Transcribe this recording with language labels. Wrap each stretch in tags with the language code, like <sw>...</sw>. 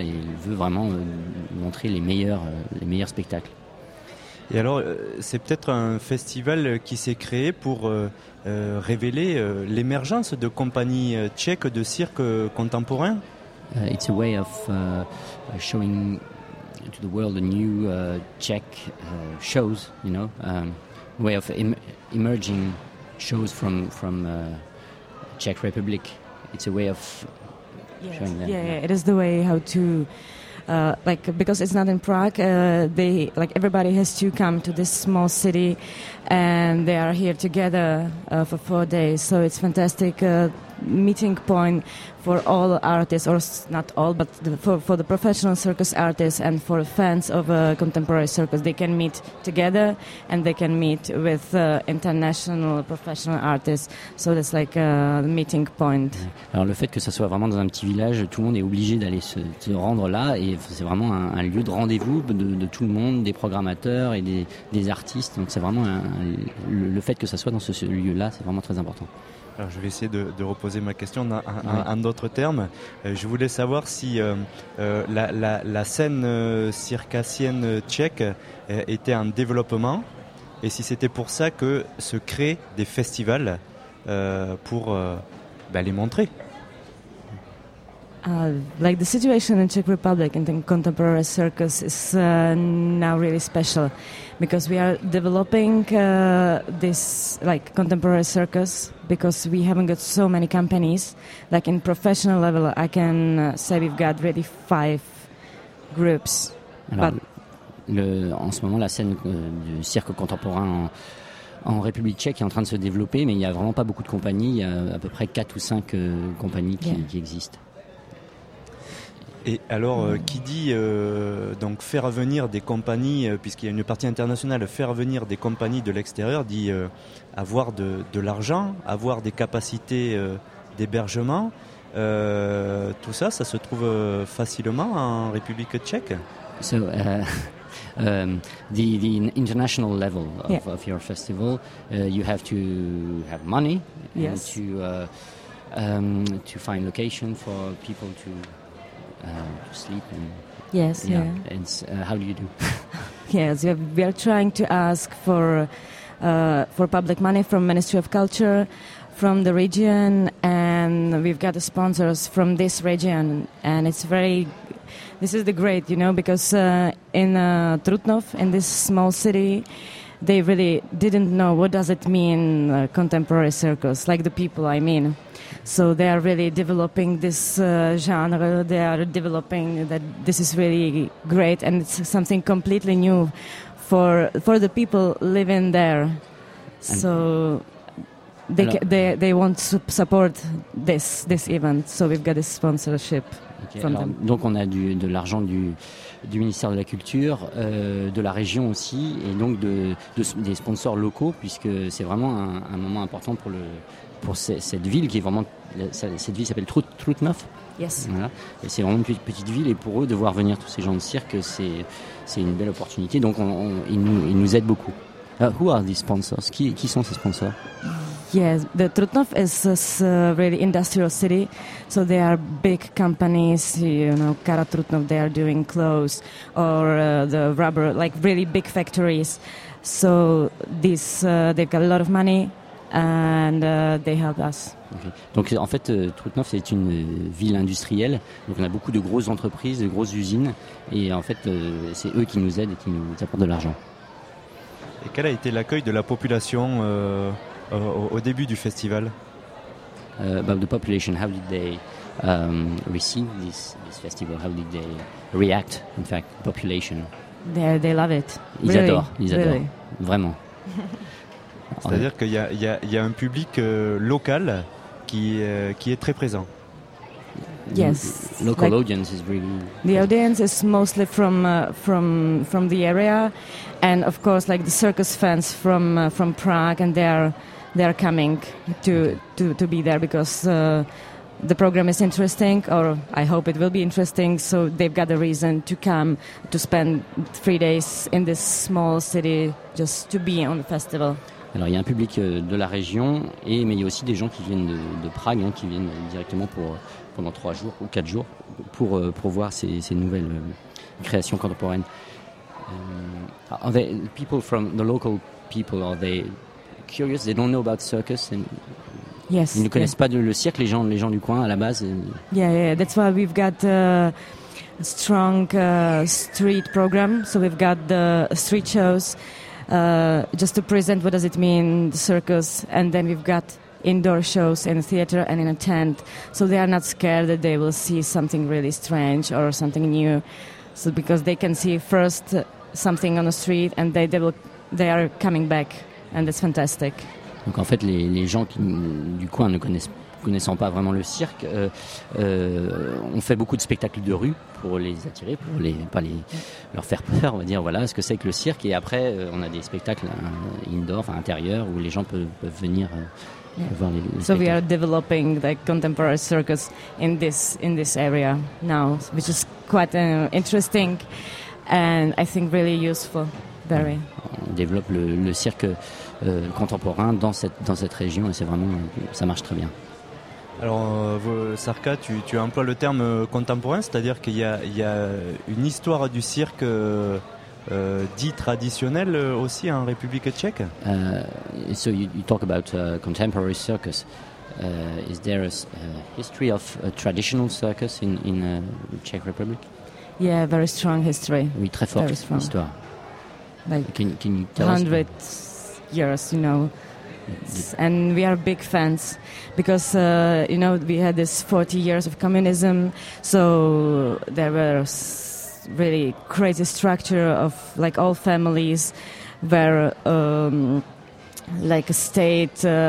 <fr>Et il veut vraiment montrer les meilleurs spectacles. Et alors, c'est peut-être un festival qui s'est créé pour révéler l'émergence de compagnies tchèques de cirque contemporain.</fr> <en>It's a way of showing to the world a new Czech shows, you know, way of emerging shows from Czech Republic. It's a way of showing them. Yeah, it is the way how to. Like because it's not in Prague, they like everybody has to come to this small city, and they are here together for 4 days. So it's fantastic meeting point for all artists, or not all, but for the professional circus artists and for fans of contemporary circus. They can meet together and they can meet with international professional artists. So that's like a meeting point.</en> <fr>Alors le fait que ça soit vraiment dans un petit village, tout le monde est obligé d'aller se rendre là, et c'est vraiment un lieu de rendez-vous de tout le monde, des programmateurs et des artistes. Donc c'est vraiment le fait que ça soit dans ce lieu-là, c'est vraiment très important. Alors je vais essayer de reposer ma question en d'autres termes. Je voulais savoir si la scène circassienne tchèque était en développement, et si c'était pour ça que se créent des festivals pour les montrer.</fr> <en>Like the situation in Czech Republic in the contemporary circus is now really special, because we are developing this like contemporary circus, because we haven't got so many companies. Like in professional level, I can say we've got really 5 groups.</en> <fr>Alors, en ce moment, la scène du cirque contemporain en République tchèque est en train de se développer, mais il n'y a vraiment pas beaucoup de compagnies. Il y a à peu près 4 ou 5 compagnies qui existent. Et alors, qui dit donc faire venir des compagnies, puisqu'il y a une partie internationale, faire venir des compagnies de l'extérieur, dit avoir de l'argent, avoir des capacités d'hébergement. Tout ça, ça se trouve facilement en République tchèque.</fr> <en>So, the international level of your festival, you have to have money and to find location for people to... to sleep and how do you do? Yes, we are trying to ask for public money from Ministry of Culture, from the region, and we've got the sponsors from this region, and this is great because in Trutnov, in this small city, they really didn't know what does it mean contemporary circus, like the people, I mean. So they are really developing this genre, they are developing that this is really great, and it's something completely new for the people living there. So they want to support this event, so we've got a sponsorship. Okay.</en> <fr>Alors, donc on a de l'argent du ministère de la Culture, de la région aussi, et donc des sponsors locaux, puisque c'est vraiment un moment important pour cette ville qui est vraiment... Cette ville s'appelle Trutnov.</fr> <en>Yes.</en> <fr>Voilà. Et c'est vraiment une petite ville, et pour eux, de voir venir tous ces gens de cirque, c'est une belle opportunité. Donc ils nous aident beaucoup.</fr> <en>Who are these sponsors?</en> <fr>Qui sont ces sponsors?</fr> <en>Yes, the Trutnov is a really industrial city, so there are big companies, you know, Kara Trutnov, they are doing clothes, or the rubber, like really big factories. So they've got a lot of money, and they help us. Okay.</en> <fr>Donc en fait, Trutnov, c'est une ville industrielle, donc on a beaucoup de grosses entreprises, de grosses usines, et en fait, c'est eux qui nous aident et qui nous apportent de l'argent. Et quel a été l'accueil de la population au début du festival?</fr> <en>About the population, how did they receive this festival? How did they react, in fact, population? They love it.</en> <fr>Ils</fr> <en>really?</en> <fr>Adorent, ils</fr> <en>really?</en> <fr>Adorent. Vraiment. C'est-à-dire qu'il y a un public local qui est très présent.</fr> <en>Yes. Local like audience is really... The audience is mostly from the area, and of course, like the circus fans from Prague, and they are coming to be there because the program is interesting, or I hope it will be interesting, so they've got a reason to come to spend 3 days in this small city just to be on the festival.</en> <fr>Alors il y a un public de la région, mais il y a aussi des gens qui viennent de Prague, hein, qui viennent directement pendant 3 jours ou 4 jours pour voir ces nouvelles créations contemporaines.</fr> <en>Are they people from the local people, are they curious? They don't know about circus and yes,</en> <fr>ils ne connaissent pas le cirque, les gens du coin à la base.</fr> <en>That's why we've got a strong street program, so we've got the street shows just to present what does it mean the circus, and then we've got indoor shows in a theater and in a tent, so they are not scared that they will see something really strange or something new, so because they can see first something on the street and they are coming back. And it's fantastic.</en> <fr>Donc en fait, les gens du coin ne connaissent connaissant pas vraiment le cirque, on fait beaucoup de spectacles de rue pour les attirer, pour les, pas les, leur faire peur, on va dire, voilà ce que c'est que le cirque. Et après, on a des spectacles indoor, enfin intérieurs, où les gens peuvent venir voir les spectacles.</fr> <en>So we are developing the contemporary circus in this area now, which is quite interesting and I think really useful. Very.</en> <fr>On développe le cirque contemporain dans cette région et c'est vraiment, ça marche très bien. Alors Sarka, tu emploies le terme contemporain, c'est-à-dire qu'il y a une histoire du cirque dit traditionnel aussi en République tchèque.</fr> <en>So you talk about contemporary circus. Is there a history of a traditional circus in the Czech Republic? Yeah, very strong history.</en> <fr>Oui, très forte histoire.</fr> <en>Like can you tell 100 us? Years, you know, and we are big fans because you know we had this 40 years of communism, so there was really crazy structure of like all families where like a state.</en>